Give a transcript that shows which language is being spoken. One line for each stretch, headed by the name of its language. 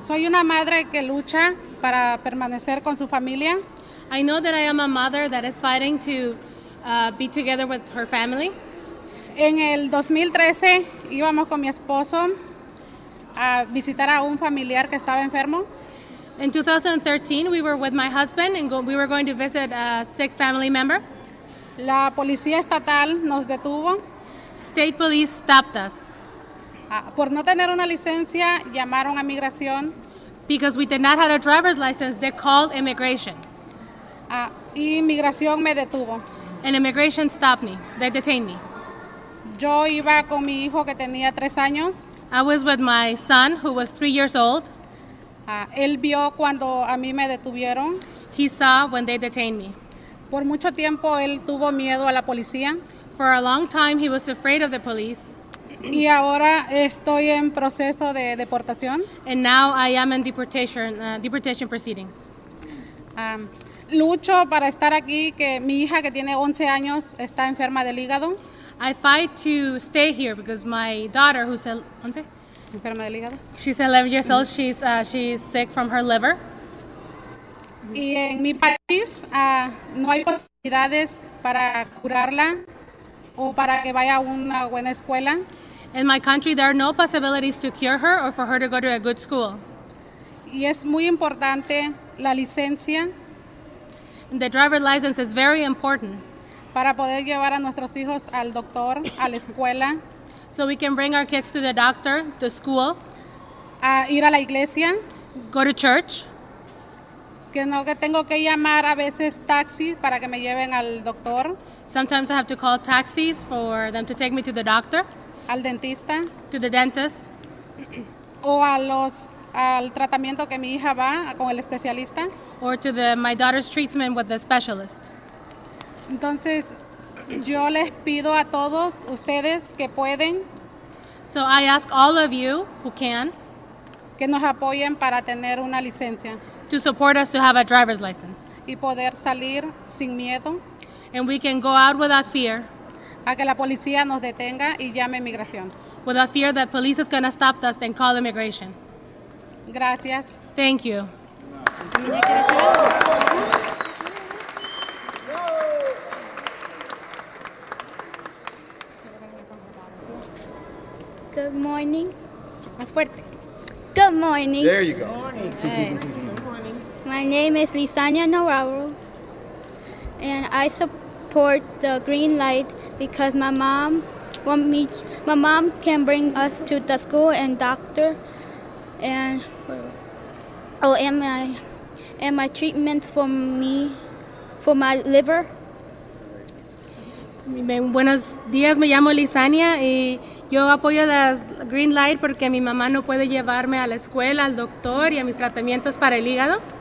Spanish: Soy una madre que lucha para permanecer con su familia.
English: I know that I am a mother that is fighting to be together with her family.
Spanish: En el 2013 íbamos con mi esposo a visitar a un familiar que estaba enfermo.
English: In 2013 we were with my husband and we were going to visit a sick family member.
Spanish: La policía estatal nos detuvo.
English: State police stopped us.
Spanish: Por no tener una licencia llamaron a migración.
English: Because we did not have a driver's license, they called immigration.
Spanish: Y inmigración me detuvo.
English: And immigration stopped me. They detained me.
Spanish: Yo iba con mi hijo que tenía 3 años.
English: I was with my son who was 3 years old.
Spanish: Él vio cuando a mí me detuvieron.
English: He saw when they detained me.
Spanish: Por mucho tiempo él tuvo miedo a la policía.
English: For a long time he was afraid of the police.
Spanish: Y ahora estoy en proceso de deportación.
English: And now I am in deportation proceedings.
Spanish: Lucho para estar aquí, que mi hija que tiene 11 años está enferma del hígado.
English: I fight to stay here because my daughter, who's 11,
Spanish: enferma del hígado.
English: She's 11 years old. Mm-hmm. She's sick from her liver.
Spanish: Y en mi país no hay posibilidades para curarla o para que vaya a una buena escuela.
English: In my country, there are no possibilities to cure her or for her to go to a good school.
Spanish: y es muy importante la licencia.
English: And the driver's license is very important.
Spanish: Para poder llevar a nuestros hijos al doctor, a la escuela.
English: So we can bring our kids to the doctor, to school.
Spanish: A ir a la iglesia.
English: Go to church.
Spanish: Que no, que tengo que llamar a veces taxi para que me lleven al doctor.
English: Sometimes I have to call taxis for them to take me to the doctor.
Spanish: Al dentista.
English: To the dentist.
Spanish: O a los, al tratamiento que mi hija va con el especialista.
English: Or to the, my daughter's treatment with the specialist.
Spanish: Entonces, yo les pido a todos ustedes que pueden.
English: So I ask all of you who can.
Spanish: Que nos apoyen para tener una licencia.
English: To support us to have a driver's license.
Spanish: Y poder salir sin miedo.
English: And we can go out without fear.
Spanish: A que la policía nos detenga y llame inmigración.
English: Without fear that police is going to stop us and call immigration.
Spanish: Gracias.
English: Thank you. Good morning.
Spanish: Más fuerte.
English: Good morning. There you go. Good morning. Good morning. My name is Lisanya Navarro, and I support the green light because my mom want me. My mom can bring us to the school and doctor, and oh, and my. And my treatment for me, for my liver.
Spanish: Buenos días, me llamo Lisania y yo apoyo las green light porque mi mamá no puede llevarme a la escuela, al doctor y a mis tratamientos para el hígado.